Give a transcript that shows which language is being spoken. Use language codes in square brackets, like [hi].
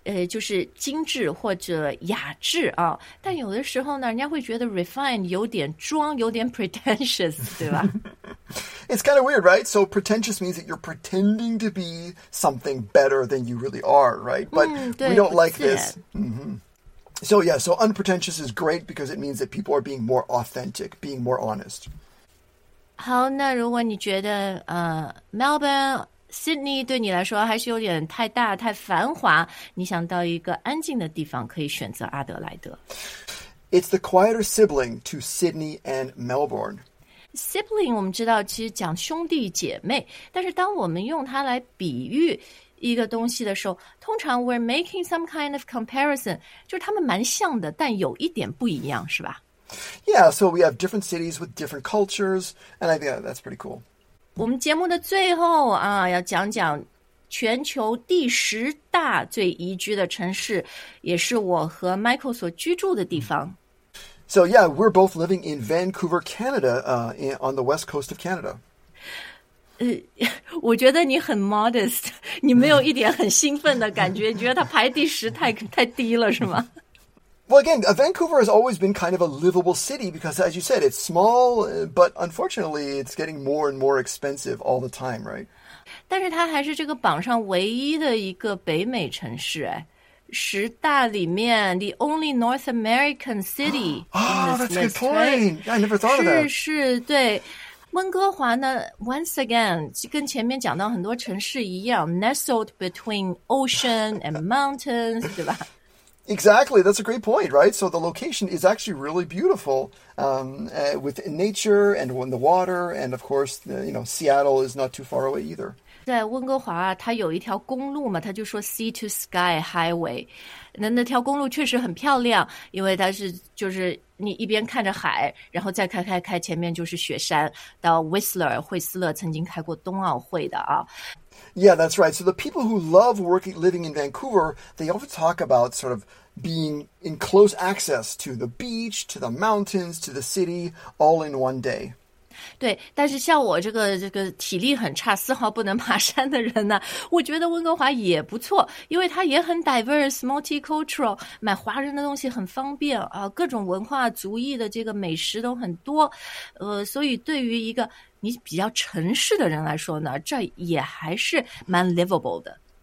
[zh] 就是精致或者雅致啊。但有的时候呢，人家会觉得 refined 有点装，有点 pretentious, 对吧？ [en] It's kind of weird, right? So pretentious means that you're pretending to be something better than you really are, right? But we don't like this. So yeah, so unpretentious is great because it means that people are being more authentic, being more honest. [zh] 好，那如果你觉得Melbourne, Sydney 对你来说还是有点太大、太繁华，你想到一个安静的地方，可以选择阿德莱德。 [en] It's the quieter sibling to Sydney and Melbourne. [zh] Sibling 我们知道其实讲兄弟姐妹，但是当我们用它来比喻一个东西的时候，通常 [en] we're making some kind of comparison, [zh] 就是他们蛮像的，但有一点不一样，是吧？ [en] Yeah, so we have different cities with different cultures, and I think that's pretty cool. [zh] 我们节目的最后啊，要讲讲全球第十大最宜居的城市，也是我和 Michael 所居住的地方。 [en] So yeah, we're both living in Vancouver, Canada, on the west coast of Canada. [zh] 我觉得你很 modest, 你没有一点很兴奋的感觉，觉得它排第十太低了，是吗？ [en] Well, again, Vancouver has always been kind of a livable city because, as you said, it's small, but unfortunately, it's getting more and more expensive all the time, right? [zh] 但是它还是这个榜上唯一的一个北美城市，哎，十大里面 [en] the only North American city. That's a good point. I never thought of that. [zh] 是对。温哥华呢 , [en] once again, [zh] 跟前面讲到很多城市一样 , [en] nestled between ocean and mountains, [zh] 对吧？ [en] Exactly, that's a great point, right? So the location is actually really beautiful, with nature and the water, and of course, you know, Seattle is not too far away either. [zh] 在温哥华它有一条公路嘛，它就说 Sea to Sky Highway。那条公路确实很漂亮，因为它是就是你一边看着海，然后再开开开，前面就是雪山，到 Whistler, 惠斯勒曾经开过冬奥会的啊。 [en] Yeah, that's right. So the people who love living in Vancouver, they often talk about sort of being in close access to the beach, to the mountains, to the city, all in one day. [zh] 对，但是像我这个体力很差，丝毫不能爬山的人呢，我觉得温哥华也不错，因为它也很 [en] diverse, multicultural, [zh] 买华人的东西很方便啊，各种文化族裔的这个美食都很多，所以对于一个你比较城市的人来说呢，这也还是蛮 livable 的。